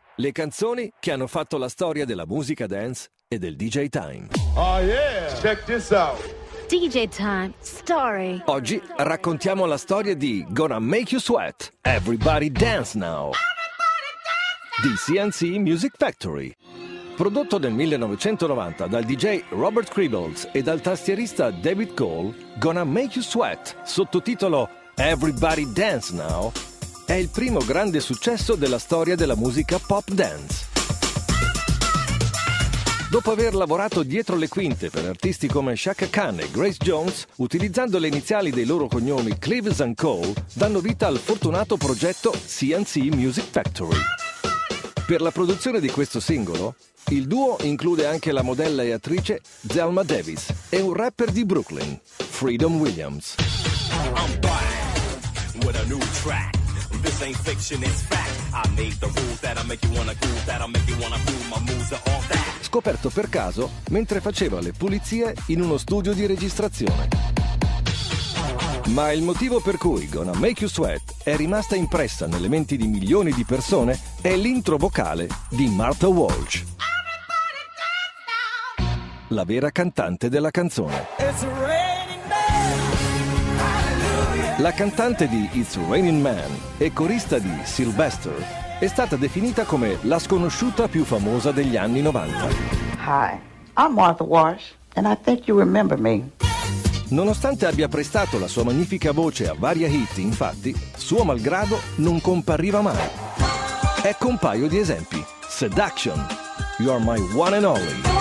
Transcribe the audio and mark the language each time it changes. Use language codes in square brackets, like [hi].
[it] Le canzoni che hanno fatto la storia della musica dance e del DJ Time. [en] Oh yeah, check this out. DJ Time Story. [it] Oggi raccontiamo la storia di Gonna Make You Sweat, Everybody Dance Now. [en] Everybody dance now. Di CNC Music Factory. [it] Prodotto nel 1990 dal DJ Robert Cribbles e dal tastierista David Cole, Gonna Make You Sweat, sottotitolo Everybody Dance Now, è il primo grande successo della storia della musica pop dance. Dopo aver lavorato dietro le quinte per artisti come Chaka Khan e Grace Jones, utilizzando le iniziali dei loro cognomi Cleaves & Co., danno vita al fortunato progetto CNC Music Factory. Per la produzione di questo singolo, il duo include anche la modella e attrice Zelma Davis e un rapper di Brooklyn, Freedom Williams. [en] I'm back with a new track. This ain't fiction, it's fact. I made the rules that'll make you wanna cool, that'll make you wanna cool. My moves are all that. [it] Scoperto per caso mentre faceva le pulizie in uno studio di registrazione. Ma il motivo per cui Gonna Make You Sweat è rimasta impressa nelle menti di milioni di persone è l'intro vocale di Martha Walsh, la vera cantante della canzone. La cantante di It's Raining Man e corista di Sylvester è stata definita come la sconosciuta più famosa degli anni 90. [en] Hi, I'm Martha Walsh and I think you remember me. [it] Nonostante abbia prestato la sua magnifica voce a varie hit, infatti, suo malgrado non compariva mai. Ecco un paio di esempi. [en] Seduction, You're My One and Only.